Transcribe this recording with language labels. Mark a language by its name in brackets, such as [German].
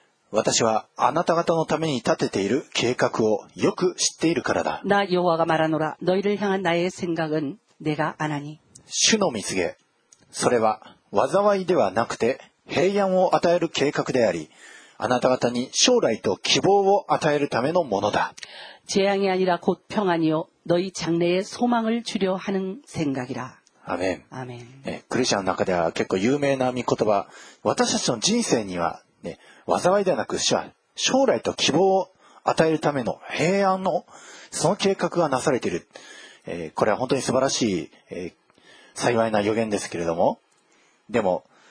[Japanese] 私はあなた方のために立てている計画をよく知っているからだ [Korean] 나여호와가말하노라너희를향한나의생각은내가아나니 [Japanese] 主の見告げそれは災いではなくて平安を与える計画でありあなた方に将来と希望を与えるためのものだ [Korean] 재앙이아니라곧평안이요너희장래에소망을주려하는생각이라 아멘 아멘 네크리스천의 [Japanese] 中では結構有名な御言葉私たちの人生には、ね、災いではなく主は将来と希望を与えるための平安のその計画がなされている、これは本当に素晴らしい、幸いな予言ですけれどもでも